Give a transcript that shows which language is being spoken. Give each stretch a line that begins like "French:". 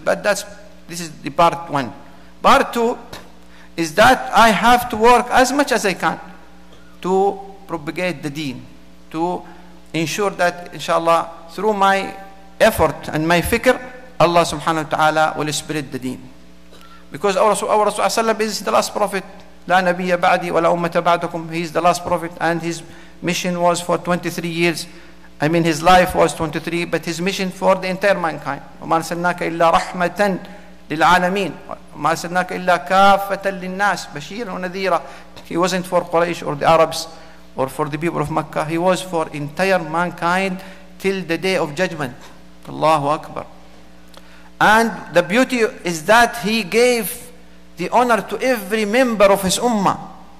English: But this is the part one. Part two is that I have to work as much as I can to propagate the deen, to ensure that inshallah, through my effort and my fikr, Allah subhanahu wa ta'ala will spread the deen. Because our Rasulullah is the last prophet.
Arabic: لا نبي بعدي ولا أمة بعدكم.
English: He is the last prophet, and his mission was for 23 years. I mean, his life was 23, but his mission for the entire mankind.
Arabic: وما أرسلناك إلا رحمة للعالمين. وما أرسلناك إلا كافة للناس بشيرا ونذيرا.
English: He wasn't for Quraysh or the Arabs or for the people of Mecca. He was for entire mankind till the day of judgment. Allahu Akbar. And the beauty is that he gave the honor to every member of his ummah.